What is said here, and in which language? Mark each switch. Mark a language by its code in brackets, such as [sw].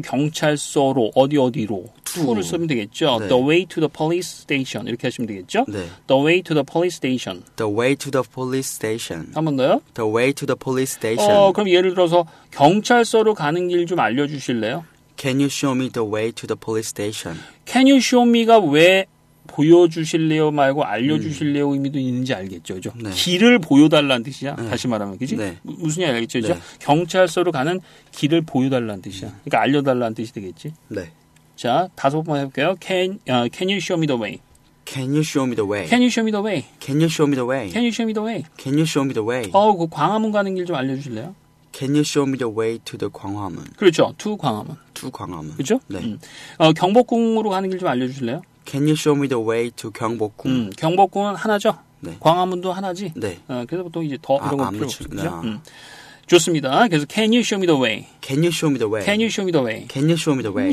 [ko] 경찰서로 어디 어디로. To를 쓰면 되겠죠. 네. [en] The way to the police station. [ko] 이렇게 하시면 되겠죠. 네. [en] The way to the police station. The way to the police station. [ko] 한 번 더요. [en] The way to the police station. [ko] 어, 그럼 예를 들어서 경찰서로 가는 길 좀 알려주실래요? [en] Can you show me the way to the police station? Can you show me가 왜 [ko] 보여주실래요 말고 알려주실래요 의미도 있는지 알겠죠. 그죠? 네. 길을 보여달라는 뜻이야. 네. 다시 말하면. 그지? 네. 무슨 얘기 알겠죠. 그죠? 네. 경찰서로 가는 길을 보여달라는 뜻이야. 그러니까 알려달라는 뜻이 되겠지. 네. 자, 다섯 번 해볼게요. [en] Can you show me the way? Can you show me the way? Can you show me the way? Can you show me the way? Can you show me the way? Can you show me the way? [ko] 그 광화문 가는 길 좀 알려주실래요? [en] Can you show me the way to the 광화문? [ko] 그렇죠. To 광화문. To 광화문. 그렇죠? 네. 경복궁으로 가는 길 좀 알려주실래요? [en] Can you show me the way to 경복궁? [ko] 경복궁은 하나죠? 네. 광화문도 하나지? 네. 그래서 보통 이제 더 이런 거 필요 없죠? 그렇죠? 좋습니다. 그래서 [en] Can you show me the way? Can you show me the way? Can you show me the way? Can you show me the way?